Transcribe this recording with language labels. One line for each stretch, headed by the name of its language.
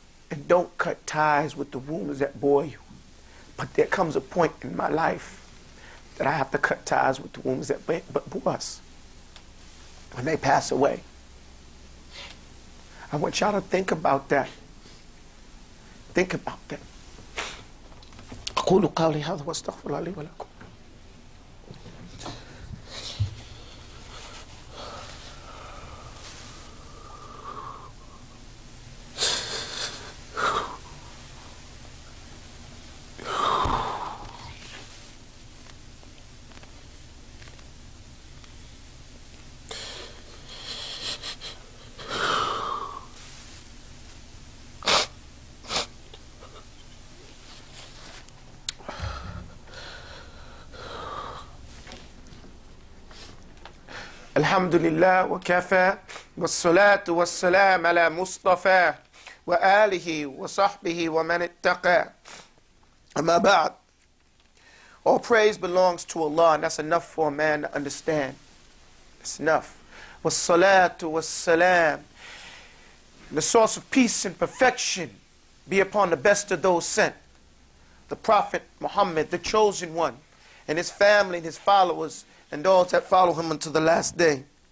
English: And don't cut ties with the wombs that bore you. But there comes a point in my life that I have to cut ties with the wombs that bore us when they pass away. I want y'all to think about that. Think about that.
Arabic: قولوا قولي هذا واستغفر الله لي ولكم. الحمد لله وكفى والصلاة والسلام على مصطفى وآله وصحبه ومن اتقى أما بعد.
English: All praise belongs to Allah, and that's enough for a man to understand. It's enough.
Arabic: والصلاة والسلام.
English: The source of peace and perfection be upon the best of those sent. The Prophet Muhammad, the chosen one, and his family and his followers, and those that follow him until the last day.